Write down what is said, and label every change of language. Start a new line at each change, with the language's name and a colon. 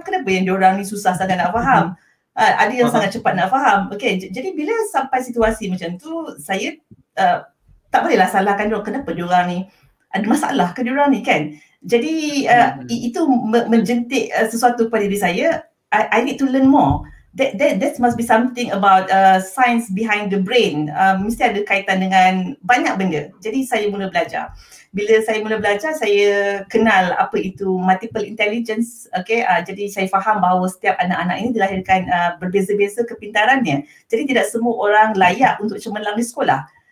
Malay: Kenapa yang diorang ni susah sangat nak faham? Ada yang sangat cepat nak faham. Okay, jadi bila sampai situasi macam tu, saya tak bolehlah salahkan diorang. Kenapa diorang ni? Ada masalah ke diorang ni kan? Jadi itu menjentik sesuatu pada diri saya.
English: I need to learn more. That must be something about science behind the brain.
Malay: Mesti ada kaitan dengan banyak benda. Jadi saya mula belajar. Bila saya mula belajar, saya kenal apa itu multiple intelligence. Okay, jadi saya faham bahawa setiap anak-anak ini dilahirkan berbeza-beza kepintarannya. Jadi tidak semua orang layak untuk cemerlang di sekolah.